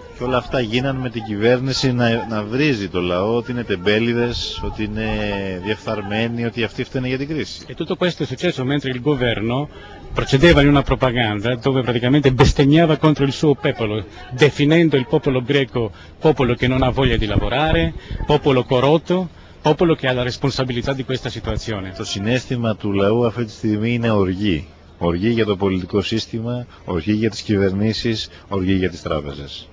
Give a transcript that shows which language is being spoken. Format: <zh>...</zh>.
<el>Και όλα αυτά γίνανε με την κυβέρνηση να βρίζει το λαό ότι είναι τεμπέληδες, ότι είναι διεφθαρμένοι, ότι αυτοί φταίνε για την κρίση.</el> <it>E tutto questo è successo mentre il governo procedeva in una propaganda dove praticamente bestemmiava contro il suo popolo, definendo il popolo greco popolo che non ha voglia di lavorare, popolo corrotto, popolo che ha la responsabilità di questa situazione.</it> <el>Το συνέστημα του λαού αυτή τη στιγμή είναι οργή. Οργή για το πολιτικό σύστημα, οργή για τις κυβερνήσεις, οργή για τις τράπεζες.</el>